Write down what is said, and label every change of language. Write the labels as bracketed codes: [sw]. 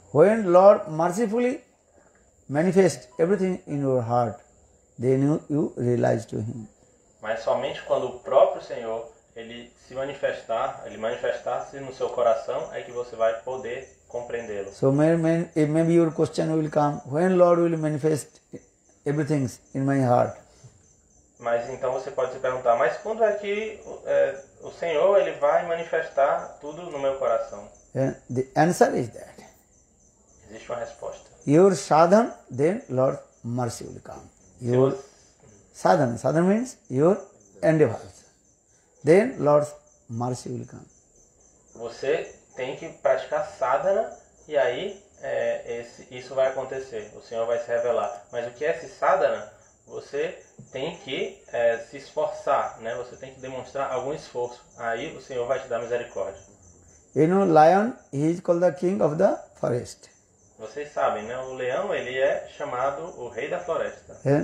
[en] When Lord mercifully manifest everything in your heart, then you realize to him. [pt] Mas somente quando o próprio Senhor ele manifestar-se no seu coração, é que você vai poder compreendê-lo. [en] So maybe your question will come, when Lord will manifest everything in my heart? [pt] Mas então você pode se perguntar, mas quando é que o Senhor ele vai manifestar tudo no meu coração? [en] And the answer is that. [pt] Existe uma resposta. [en] Your sadhana, then Lord mercy will come. Your sadhana, sadhana means your endeavors. Then Lord's mercy will come. [pt] Você tem que praticar sadhana e aí isso vai acontecer. O Senhor vai se revelar. Mas o que é esse sadhana? Você tem que se esforçar, né? Você tem que demonstrar algum esforço. Aí o Senhor vai te dar misericórdia. [en] You know, lion, he is called the king of the forest. [pt] Vocês sabem, né? O leão, ele é chamado o rei da floresta.